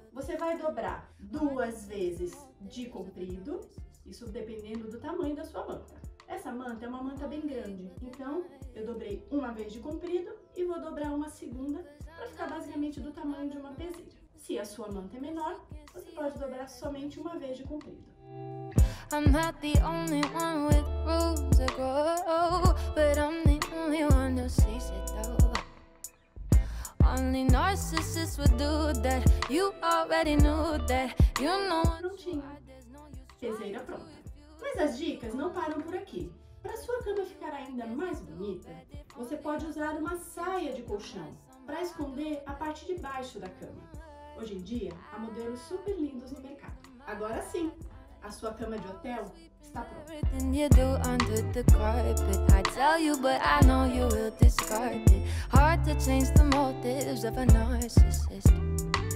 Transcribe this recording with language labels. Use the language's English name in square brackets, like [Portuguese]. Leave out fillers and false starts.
[Portuguese] Você vai dobrar duas vezes de comprido, isso dependendo do tamanho da sua manta. Essa manta é uma manta bem grande, então eu dobrei uma vez de comprido e vou dobrar uma segunda para ficar basicamente do tamanho de uma piseira. Se a sua manta é menor, você pode dobrar somente uma vez de comprido. [English] I'm not the only one with room to grow, but I'm the only one who sees it though. Only narcissists would do that. You already knew that. You know. [Portuguese] Prontinho. Piseira pronta. Mas as dicas não param por aqui. Para sua cama ficar ainda mais bonita, você pode usar uma saia de colchão para esconder a parte de baixo da cama. Hoje em dia, há modelos super lindos no mercado. Agora sim. A sua cama de hotel está pronta. [English] You do under the carpet. I tell you, but I know you will discard it. Hard to change the motives of a narcissist.